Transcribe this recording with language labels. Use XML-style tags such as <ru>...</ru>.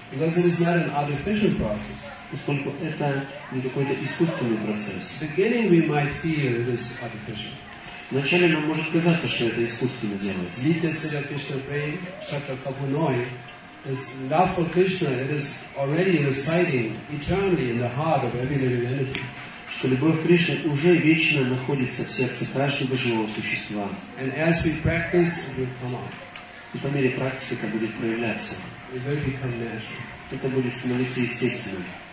<en>Because it is not an artificial process.</en> <ru>Поскольку это не какой-то искусственный процесс.</ru> <en>Beginning we might feel it is artificial.</en> <ru>Вначале нам может казаться, что это искусственно делается. Дитя Сидхи Кришна Прей, Шатра Капуной,</ru> <en>is love for Krishna, it is already residing eternally in the heart of every living entity.</en> <ru>Что любовь к Кришне уже вечно находится в сердце каждого живого существа.</ru> <en>And as we practice, it will come out.</en> <ru>И по мере практики это будет проявляться.</ru> <en>It will become natural.</en> <ru>Это будет становиться естественным.</ru>